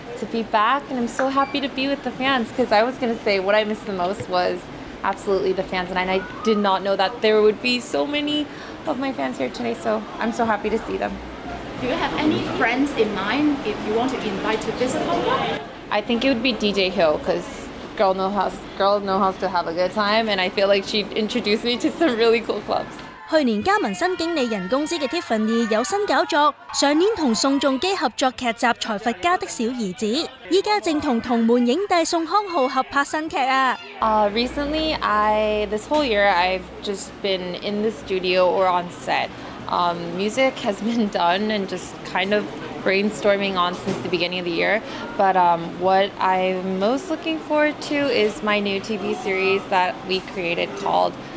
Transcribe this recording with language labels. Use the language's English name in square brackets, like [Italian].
[English] To be back, and I'm so happy to be with the fans. Because I was gonna say, what I missed the most was absolutely the fans, and I did not know that there would be so many of my fans here today. So I'm so happy to see them. Do you have any friends in mind if you want to invite to visit Hong Kong? I think it would be DJ Hill, because girl knows how to have a good time, and I feel like she introduced me to some really cool clubs. [Cantonese] 去年加盟新经理人公司的 Tiffany 有新搞作，上年同宋仲基合作剧集《财阀家的小儿子》，依家正同同门影帝宋康昊合拍新剧啊。 [English] Recently, this whole year I've just been in the studio or on set. Music has been done and just kind of brainstorming on since the beginning of the year. But what I'm most looking forward to is my new TV series that we created called.